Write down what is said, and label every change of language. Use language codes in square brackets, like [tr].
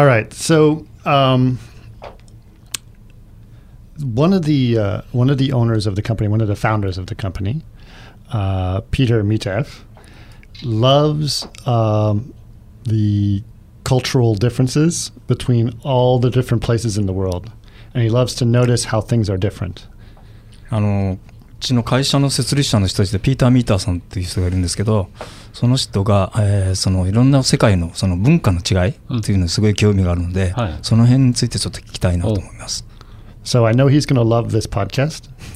[en] So one of the owners of the company, one of the founders of the company, Peter Mitev, loves the cultural differences between all the different places in the world, and he loves to notice how things are different. [ja] あの、うちの会社の設立者の一人でピーター・ミーターさんっていう人がいるんですけど、その人がその色んな世界のその文化の違いっていうのをすごい興味があるので、その辺についてちょっと聞きたいなと思います。 [en] So I know he's going to love this podcast.